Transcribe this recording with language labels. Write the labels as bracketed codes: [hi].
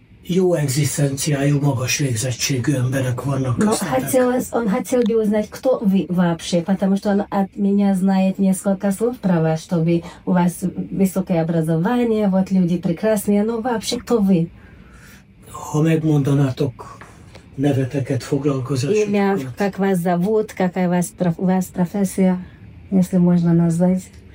[hu] jó egzisztenciájú, magas végzettségű emberek vannak közöttek. [ru] Он хотел бы узнать, кто вы вообще, потому что он от меня знает несколько слов про вас, чтобы у вас высокое образование, вот люди прекрасные, но вообще кто вы? [hu] Ha megmondanátok neveteket, foglalkozásokat. [ru] Имя, как вас зовут, какая у вас профессия, если можно назвать.